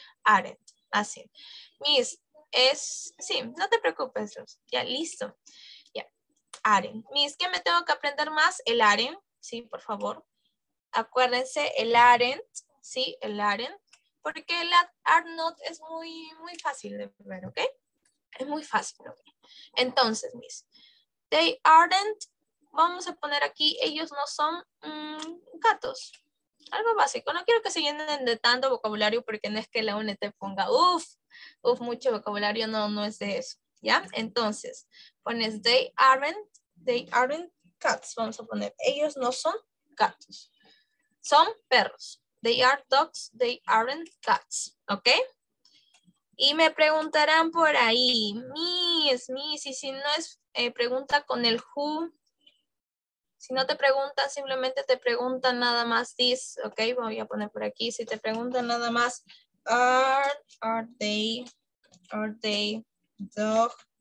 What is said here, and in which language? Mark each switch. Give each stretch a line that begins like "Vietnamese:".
Spanish: Aren't, así. Miss, sí, no te preocupes, Luz. Ya, listo. Ya, aren't. Miss, ¿qué me tengo que aprender más? El aren't, ¿sí? Por favor. Acuérdense, el aren't, ¿sí? El aren't. Porque el
English: are not
Spanish: es muy, muy fácil de ver, ¿ok? Es muy fácil, ¿ok? Entonces, Miss,
English: they aren't.
Spanish: Vamos a poner aquí, ellos no son gatos. Algo básico. No quiero que se llenen de tanto vocabulario porque no es que la UNED te ponga mucho vocabulario. No es de eso, ¿ya? Entonces, pones
English: they aren't cats.
Spanish: Vamos a poner, ellos no son gatos. Son perros.
English: They are dogs, they aren't cats.
Spanish: ¿Ok? Y me preguntarán por ahí, Miss, y si no es pregunta con el who... Si no te preguntan, simplemente te preguntan nada más this, ¿ok? Voy a poner por aquí. Si te preguntan nada más,
English: are they dog?